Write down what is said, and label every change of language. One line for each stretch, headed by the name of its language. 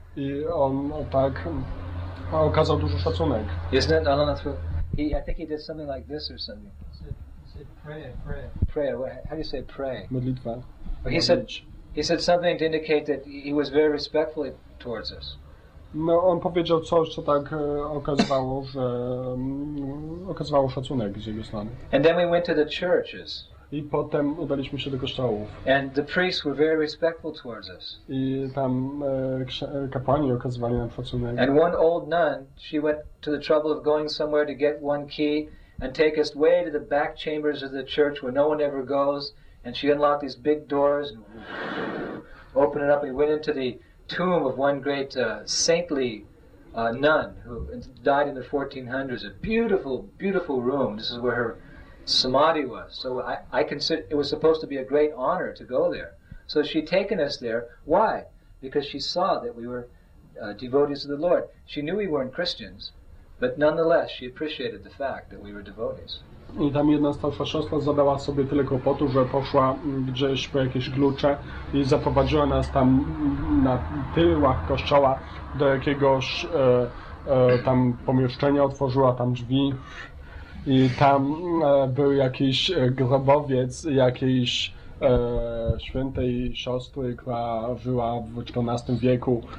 Polish: I on tak okazał duży szacunek.
English: Isn't it? I don't know. He, I think he did something like this or something. He said prayer. How do you say pray?
Polish: Modlitwa.
English: He said something to indicate that he was very respectful towards us.
Polish: No, on powiedział coś, co tak okazywało, że okazywało szacunek z jego strony.
English: And then we went to the churches.
Polish: I potem udaliśmy się do kosztołów.
English: And the priests were very respectful towards us.
Polish: I tam kapłani okazywali nam szacunek.
English: And one old nun, she went to the trouble of going somewhere to get one key and take us way to the back chambers of the church where no one ever goes, and she unlocked these big doors and opened it up. We went into the tomb of one great saintly nun who died in the 1400s. A beautiful, beautiful room. This is where her samadhi was. So I consider it was supposed to be a great honor to go there. So she'd taken us there. Why? Because she saw that we were devotees of the Lord. She knew we weren't Christians, but nonetheless she appreciated the fact that we were devotees.
Polish: I tam jedna starsza siostra zadała sobie tyle kłopotu, że poszła gdzieś po jakieś klucze i zaprowadziła nas tam na tyłach kościoła do jakiegoś tam pomieszczenia, otworzyła tam drzwi I tam był jakiś grobowiec jakiejś świętej siostry, która żyła w XIV wieku.